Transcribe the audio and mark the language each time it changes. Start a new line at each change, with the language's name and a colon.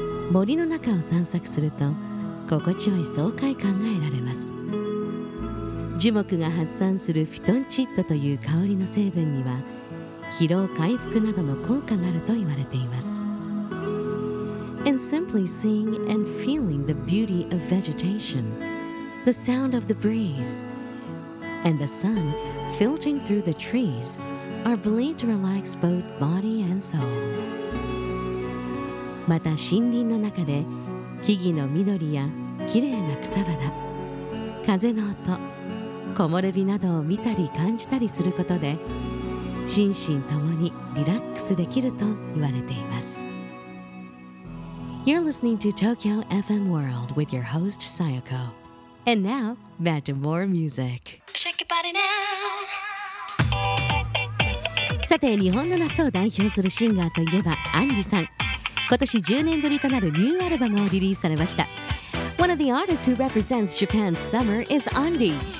Japanese: 森の中を散策すると、心地よい爽快感が得られます。樹木が発散するフィトンチッドという香りの成分には、疲労回復などの効果があると言われています。
English: And simply seeing and feeling the beauty of vegetation, the sound of the breeze, and the sun filtering through the trees are believed to relax both body and soul.
Japanese: また森林の中で木々の緑やきれいな草花、風の音、木漏れ日などを見たり感じたりすることで心身ともにリラックスできると言われています。
English: You're listening to Tokyo FM World with your host Sayoko. And now, back to more music. Shake your body now.
Japanese: さて、日本の夏を代表するシンガーといえば、アンジさん。今年10年ぶりとなるニューアルバムをリリースされました。
English: One of the artists who represents Japan's summer is Andy.